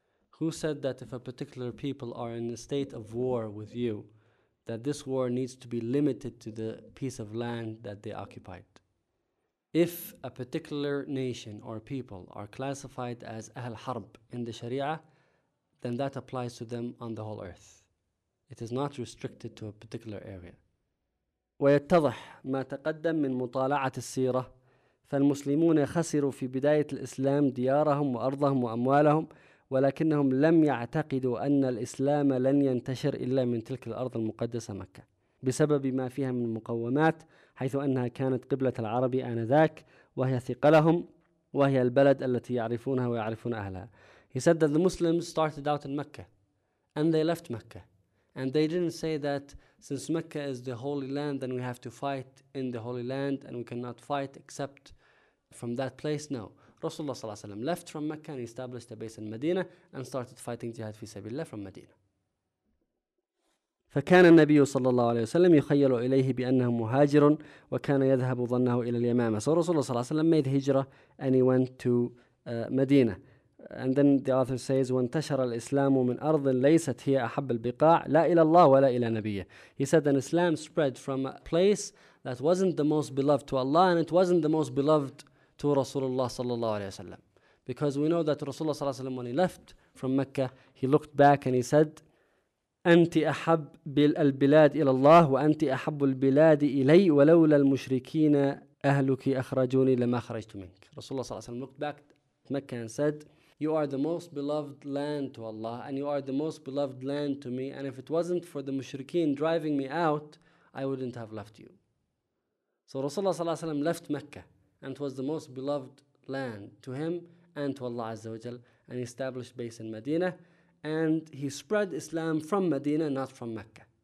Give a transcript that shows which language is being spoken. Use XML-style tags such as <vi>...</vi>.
<en>Who said that if a particular people are in a state of war with you, that this war needs to be limited to the piece of land that they occupied? If a particular nation or people are classified as Ahl Harb in the Sharia, then that applies to them on the whole earth. It is not restricted to a particular area.</en> <ar>ويتضح ما تقدم من مطالعة السيرة فالمسلمون خسروا في بداية الإسلام ديارهم وأرضهم وأموالهم ولكنهم لم يعتقدوا أن الإسلام لن ينتشر إلا من تلك الأرض المقدسة مكة بسبب ما فيها من مقومات حيث أنها كانت قبلة العرب آنذاك وهي ثقلهم وهي البلد التي يعرفونها ويعرفون أهلها.</ar> <en>He said that the Muslims started out in Mecca and they left Mecca. And they didn't say that since Mecca is the holy land, then we have to fight in the holy land and we cannot fight except from that place. No. Rasulullah ﷺ left from Mecca and established a base in Medina and started fighting jihad fi sabilillah from Medina.</en> <ar>فكان النبي صلى الله عليه وسلم يخيل إليه بأنه مهاجر وكان يذهب ظنه إلى اليمامة.</ar> <en>So Rasulullah</en> <ar>صلى الله عليه وسلم</ar> <en>made hijrah and he went to Medina. And then the author says,</en> <ar>وانتشر الإسلام من أرض ليست هي أحب البقاع لا إلى الله ولا إلى نبيه.</ar> <en>He said that Islam spread from a place that wasn't the most beloved to Allah and it wasn't the most beloved to Rasulullah</en> <ar>صلى الله عليه وسلم.</ar> <en>Because we know that Rasulullah</en> <ar>صلى الله عليه وسلم</ar> <en>when he left from Mecca, he looked back and he said,</en> <ar>أنت أحب البلاد إلى الله وأنت أحب البلاد إلي ولولا المشركين أهلك أخرجوني لما خرجت منك.</ar> <en>Rasulullah</en> <ar>صلى الله عليه وسلم</ar> <en>looked back at Mecca and said, you are the most beloved land to Allah and you are the most beloved land to me, and if it wasn't for the mushrikeen driving me out, I wouldn't have left you. So Rasulullah</en> <ar>صلى الله عليه وسلم</ar> <en>left Mecca and it was the most beloved land to him and to Allah</en> <ar>عز وجل,</ar> <en>and he established base in Medina and he spread Islam from Medina, not from Mecca.</en>